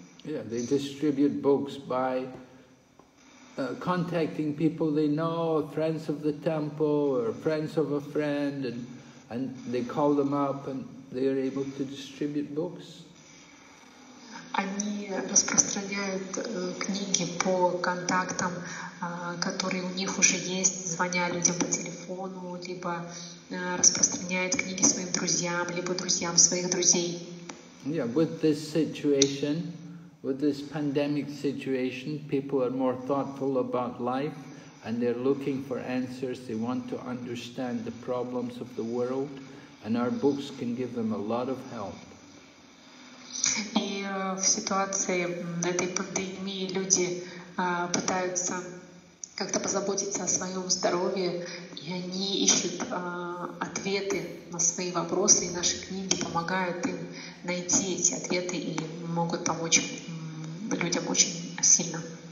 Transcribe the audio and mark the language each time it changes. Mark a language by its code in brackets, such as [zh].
[en] Yeah, they distribute books by contacting people they know, friends of the temple or friends of a friend, and they call them up and they are able to distribute books. [ru] Они распространяют книги по контактам, которые у них уже есть, звоня людям по телефону, либо распространяют книги своим друзьям, либо друзьям своих друзей. [en] Yeah, with this situation, with this pandemic situation, people are more thoughtful about life, and they're looking for answers. They want to understand the problems of the world, and our books can give them a lot of help. [ru] И в ситуации этой пандемии люди пытаются как-то позаботиться о своем здоровье, и они ищут ответы на свои вопросы, и наши книги помогают им найти эти ответы и могут помочь людям очень сильно.